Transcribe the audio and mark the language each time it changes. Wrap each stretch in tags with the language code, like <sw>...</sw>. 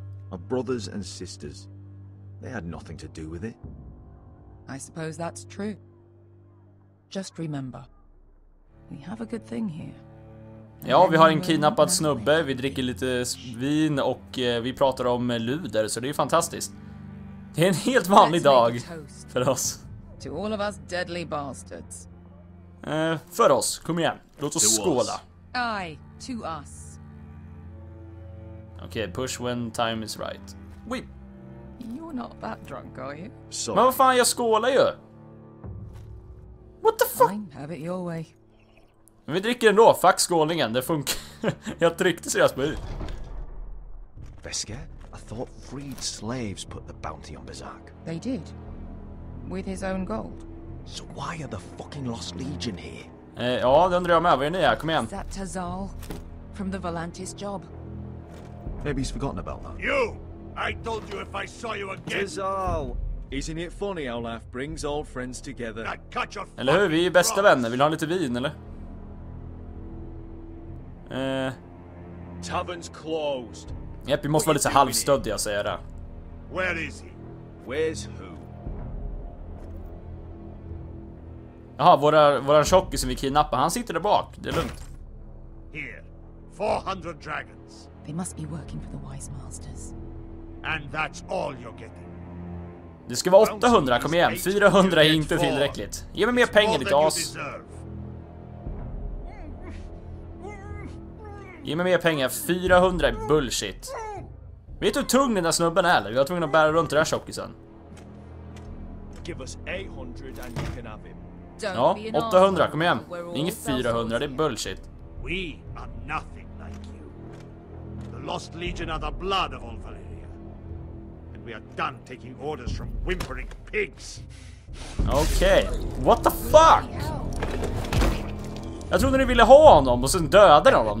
<en>My brothers and sisters. They had nothing to do with it. I suppose that's true. Just remember. We have a good thing here.</en> <sv>Ja, vi har en kidnappad snubbe, vi dricker lite vin och vi pratar om luder, så det är fantastiskt. Det är en helt vanlig dag för oss.</sv> <en>To all of us deadly bastards.</en> <sv>För oss, kom igen. Låt oss skåla.</sv> <en>Aye, to us. Okej, push when time is right. Wait. You're not that drunk, are you? Sorry.</en> <sv>Men vad fan, jag skålar ju.</sv> <en>What the fuck? Have it your way.</en> <sv>Men vi dricker ändå, fuck skålningen, det funkar. Jag tryckte så jag spade.</sv> <en>Veska, I thought freed slaves put the bounty on Bezak. They did. With his own gold. So why are the fucking lost legion here?</en> <sv>Ja, det undrar jag med. Var är ni här? Kom igen.</sv> <en>That Tazal from the Volantis job. Maybe he's forgotten about that. You! I told you if I saw you again. Tazal! Isn't it funny how life brings old friends together? Now cut your</en> <sv>eller hur, vi är bästa vänner. Vill ha lite vin, eller?</sv> <en>Tavern's closed.</en> <sv>Yep, vi måste vara lite halvstöddiga, säger jag.</sv> <en>Where is he? Where's who?</en> <sv>Jaha, våra tjockis som vi kidnappar, han sitter där bak. Det är lugnt.</sv> <en>Here. 400 dragons. They must be working for the wise masters. And that's all you're getting.</en> <sv>Det ska vara 800, kom igen. 400 är inte tillräckligt. Ge mig mer pengar, ditt as. Ge mig mer pengar, 400 är bullshit. Vet du hur tung den där snubben är eller? Vi har tvungen att bära runt den här tjockisen.</sv> <en>Give us 800 and you can have him.</en> <sv>Ja, 800, kom igen. Inget 400, det är bullshit.</sv> <en>We are nothing like you. The Lost Legion are the blood of all Valyria. And we are done taking orders from whimpering pigs. Okej, what the fuck?</en> <sv>Jag trodde ni ville ha honom och sen döda honom.</sv>